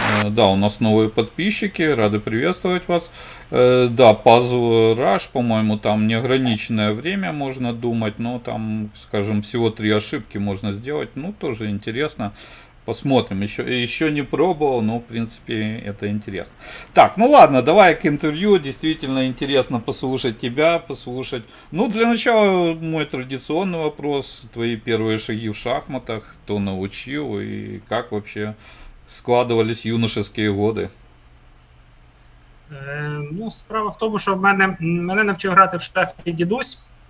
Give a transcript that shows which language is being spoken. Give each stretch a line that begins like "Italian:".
Russian: Да, у нас новые подписчики, рады приветствовать вас. Да, Puzzle Rush, по-моему, там неограниченное время можно думать, но там, скажем, всего 3 ошибки можно сделать. Ну, тоже интересно. Посмотрим. Еще не пробовал, но, в принципе, это интересно. Так, ну ладно, давай к интервью. Действительно интересно послушать тебя, послушать. Ну, для начала мой традиционный вопрос. Твои первые шаги в шахматах, кто научил и как вообще... складывались юношеские годы?
Ukrainian: Ну, справа в том, что мене навчив грати в шахи дідусь.